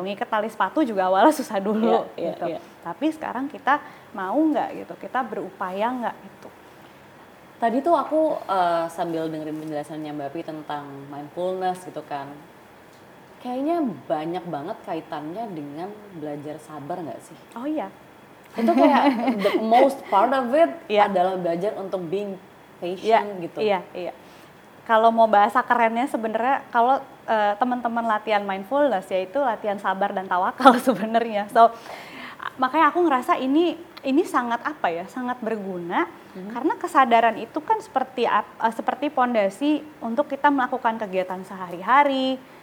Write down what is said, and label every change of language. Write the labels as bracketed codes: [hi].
[id] Ngiket tali sepatu juga awalnya susah dulu. Ya, gitu. Ya, ya. Tapi sekarang kita mau nggak gitu? Kita berupaya nggak gitu? Tadi tuh aku sambil dengerin penjelasannya Mbak Pi tentang mindfulness gitu kan. Kayaknya banyak banget kaitannya dengan belajar sabar nggak sih? Oh iya. Itu kayak [en] the most part of it yeah. [id] adalah belajar untuk [en] being patient [id] yeah. gitu. Iya, yeah, iya. Yeah. Kalau mau bahasa kerennya sebenarnya kalau teman-teman latihan mindfulness yaitu latihan sabar dan tawakal sebenarnya. So makanya aku ngerasa ini sangat apa ya? Sangat berguna karena kesadaran itu kan seperti pondasi untuk kita melakukan kegiatan sehari-hari.